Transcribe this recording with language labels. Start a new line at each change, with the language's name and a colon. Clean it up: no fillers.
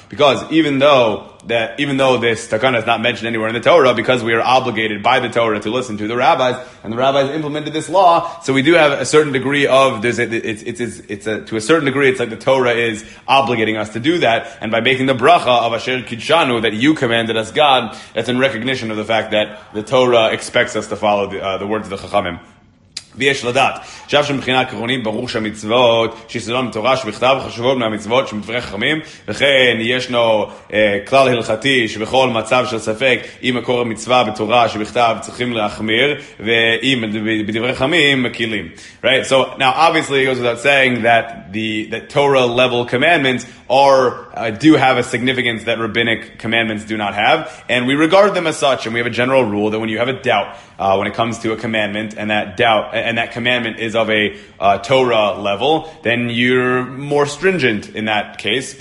English: Because even though this takana is not mentioned anywhere in the Torah, because we are obligated by the Torah to listen to the rabbis, and the rabbis implemented this law, so we do have a certain degree of it's like the Torah is obligating us to do that, and by making the bracha of Asher Kidshanu that you commanded us, God, that's in recognition of the fact that the Torah expects us to follow the words of the Chachamim.
Hebrew: ויש לדעת, שאף שמבחינה עקרונית ברור שהמצוות שיסודן בתורה שבכתב חשובות מהמצוות שמדברי חכמים, וכן ישנו כלל הלכתי שבכל מצב של ספק, אם מקור המצווה בתורה שבכתב צריכים להחמיר, ואם בדברי חכמים מקילים.
English: Right, so now obviously it goes without saying that the Torah level commandments do have a significance that rabbinic commandments do not have, and we regard them as such, and we have a general rule that when you have a doubt when it comes to a commandment, and that doubt and that commandment is of a Torah level, then you're more stringent in that case.